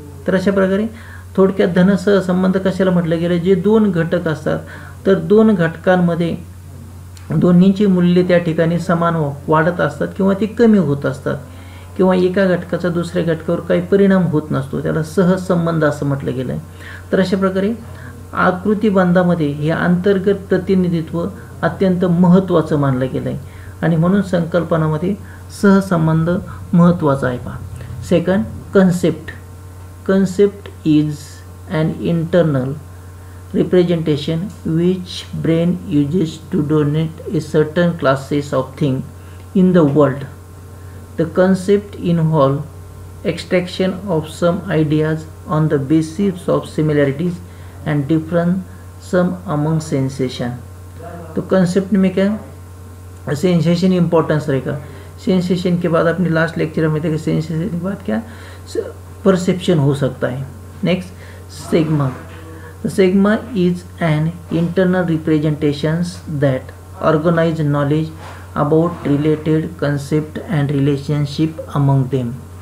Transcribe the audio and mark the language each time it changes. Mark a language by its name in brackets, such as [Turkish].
[Marathi] तर अशा प्रकारे थोडक्यात धन सहसंबंध कशाला म्हटलं गेलं, जे दोन घटक असतात तर दोन घटकांमध्ये दोन्हींची मूल्य त्या ठिकाणी समान वाढत असतात किंवा ती कमी होत असतात, किंवा एका घटकाचा दुसऱ्या घटकावर काही परिणाम होत नसतो, त्याला सहसंबंध असं म्हटलं गेलं आहे। तर अशा प्रकारे आकृतीबंधामध्ये हे अंतर्गत प्रतिनिधित्व अत्यंत महत्त्वाचं मानलं गेलं आहे आणि म्हणून संकल्पनामध्ये सहसंबंध महत्त्वाचा आहे। [English] पहा second concept, concept is an internal representation which brain uses to denote a certain classes of thing in the world. The concept involve extraction of some ideas on the basis of similarities and difference some among sensation. [Hindi] तो concept में क्या sensation importance रहेगा, sensation के बाद अपने last lecture में देखा sensation के बाद क्या परसेप्शन हो सकता है। [English] Next sigma, sigma is an internal representations that organize knowledge about related concept and relationship among them.